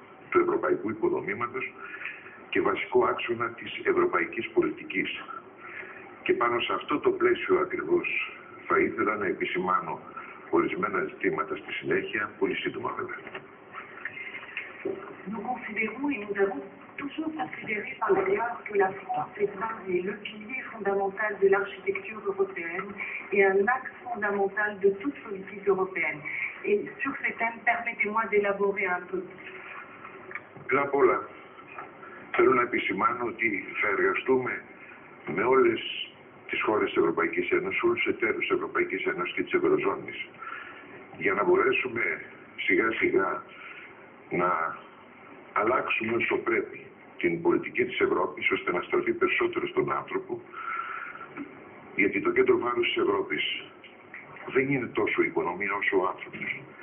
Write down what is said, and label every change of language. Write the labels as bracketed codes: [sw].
[el] Του ευρωπαϊκού οικοδομήματος και βασικό άξονα της ευρωπαϊκής πολιτικής. Και πάνω σε αυτό το πλαίσιο ακριβώς θα ήθελα να επισημάνω ορισμένα ζητήματα στη συνέχεια, πολύ σύντομα βέβαια. [fr] Nous considérons et nous avons toujours considéré par ailleurs que la France est un des piliers fondamentaux de l'architecture européenne et un axe fondamental de toute politique européenne. Et sur ces thèmes, permettez-moi d'élaborer un peu. [el] Πριν απ' όλα, θέλω να επισημάνω ότι θα εργαστούμε με όλες τις χώρες της Ευρωπαϊκής Ένωσης, όλους τους εταίρους της Ευρωπαϊκής Ένωσης και της Ευρωζώνης, για να μπορέσουμε σιγά σιγά να αλλάξουμε όσο πρέπει την πολιτική της Ευρώπης, ώστε να στραφεί περισσότερο στον άνθρωπο, γιατί το κέντρο βάρους της Ευρώπης δεν είναι τόσο η οικονομία όσο ο άνθρωπος.